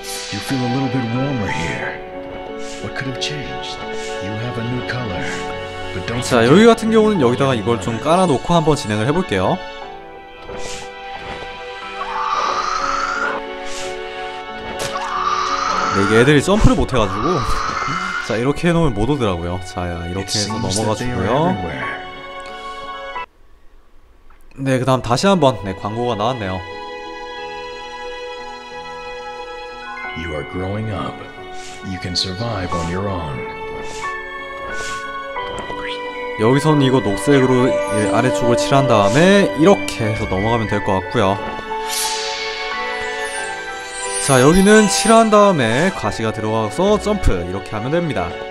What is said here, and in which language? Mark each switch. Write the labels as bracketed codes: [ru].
[en] You feel a little bit warmer here. What could have changed? You have a new color. But don't. [ko] 자, 여기 같은 경우는 여기다가 이걸 좀 깔아 놓고 한번 진행을 해 볼게요. 네, 이게 애들이 점프를 못해 가지고 자, 이렇게 해놓으면 못 오더라고요. 자, 이렇게 해서 넘어가주고요. 네, 그 다음 다시 한번 네, 광고가 나왔네요. [en] You are growing up. You can survive on your own. [ko] 여기선 이거 녹색으로 아래쪽을 칠한 다음에 이렇게 해서 넘어가면 될 것 같고요. 자, 여기는 칠한 다음에 가시가 들어가서 점프 이렇게 하면 됩니다.